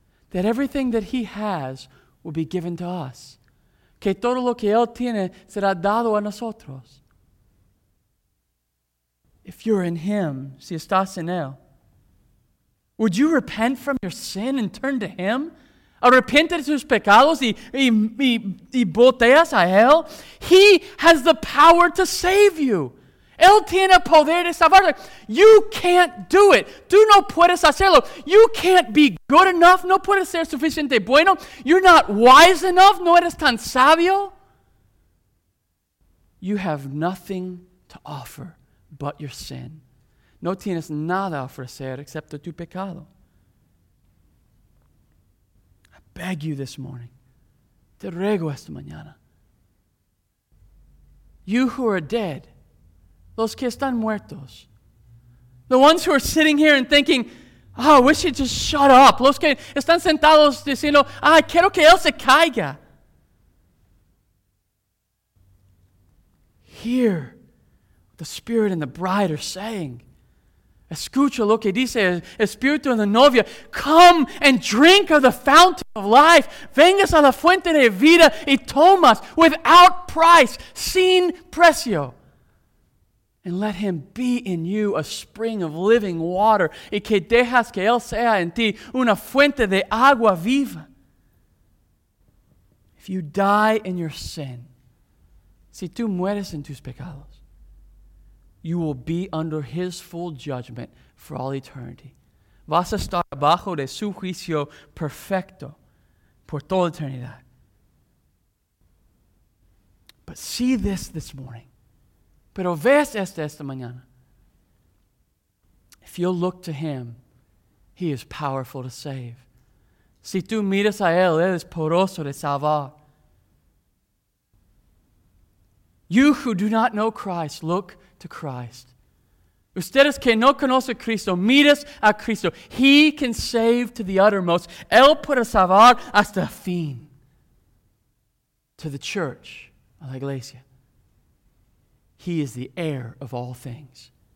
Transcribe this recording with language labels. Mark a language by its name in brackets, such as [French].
[English] That everything that he has will be given to us. [Spanish] Que todo lo que él tiene será dado a nosotros. [English] If you're in him, [Spanish] si estás en él, [English] would you repent from your sin and turn to him? [Spanish] Arrepiente de tus pecados y volteas a él. [English] He has the power to save you. [Spanish] Él tiene poder de salvarte. [English] You can't do it. [Spanish] Tú no puedes hacerlo. [English] You can't be good enough. [Spanish] No puedes ser suficiente bueno. [English] You're not wise enough. [Spanish] No eres tan sabio. [English] You have nothing to offer but your sin. [Spanish] No tienes nada a ofrecer excepto tu pecado. [English] I beg you this morning. [Spanish] Te ruego esta mañana. [English] You who are dead, [Spanish] los que están muertos, [English] the ones who are sitting here and thinking, oh, I wish you'd just shut up. [Spanish] Los que están sentados diciendo, ah, quiero que él se caiga. [English] Hear what the Spirit and the Bride are saying. [Spanish] Escucha lo que dice el Espíritu y la novia. [English] Come and drink of the fountain of life. [Spanish] Vengas a la fuente de vida y tomas [English] without price, [Spanish] sin precio. [English] And let him be in you a spring of living water. [Spanish] Y que dejas que él sea en ti una fuente de agua viva. [English] If you die in your sin, [Spanish] si tú mueres en tus pecados, [English] you will be under his full judgment for all eternity. [Spanish] Vas a estar bajo de su juicio perfecto por toda eternidad. But see this morning. Pero veas esta mañana. [English] If you look to him, he is powerful to save. [Spanish] Si tú miras a él, él es poderoso de salvar. [English] You who do not know Christ, look to Christ. [Spanish] Ustedes que no conocen a Cristo, miras a Cristo. [English] He can save to the uttermost. [Spanish] Él puede salvar hasta el fin. [English] To the church, [Spanish] a la iglesia. [English] He is the heir of all things.